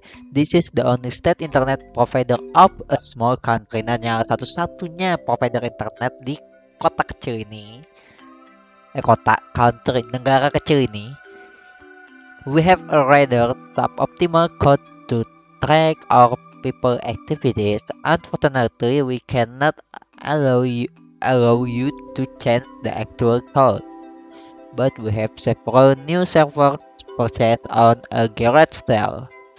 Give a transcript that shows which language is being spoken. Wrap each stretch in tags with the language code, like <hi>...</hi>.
<en>This is the only state internet provider of a small country.</en> <id>Nah, yang satu-satunya provider internet di kota kecil ini. Country, negara kecil ini.</id> <en>We have a radar top optimal code to track our people activities. Unfortunately, we cannot allow you to change the actual code. But we have several new servers purchased on a garage sale.</en>